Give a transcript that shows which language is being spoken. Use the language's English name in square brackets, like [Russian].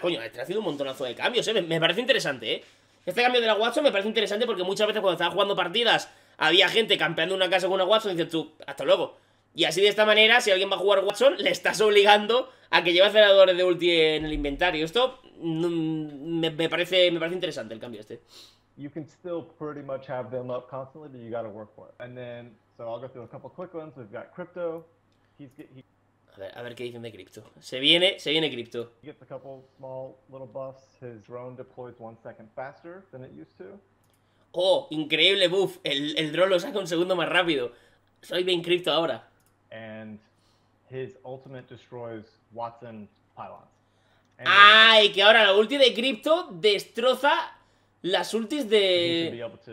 [Spanish] Coño, este ha sido un montonazo de cambios, ¿eh? Me parece interesante, ¿eh? Este cambio de la Watson me parece interesante porque muchas veces cuando estaba jugando partidas había gente campeando una casa con una Watson y dices tú, hasta luego. Y así de esta manera, si alguien va a jugar Watson, le estás obligando a que lleve aceleradores de ulti en el inventario. Esto... Me parece interesante el cambio este. [English] You can still pretty much have them up constantly, but you gotta work for it. And then, so I'll go through a couple quick ones. We've got Crypto. [Spanish] A ver qué dicen de Crypto. Se viene Crypto. [English] He gets a couple small little buffs. His drone deploys 1 second faster than it used to. [Spanish] Oh, increíble buff. El drone lo saca un segundo más rápido. Soy bien Crypto ahora. [English] And his ultimate destroys Watson pylons. [Spanish] ¡Ay! Que ahora la ulti de Crypto destroza las ultis de...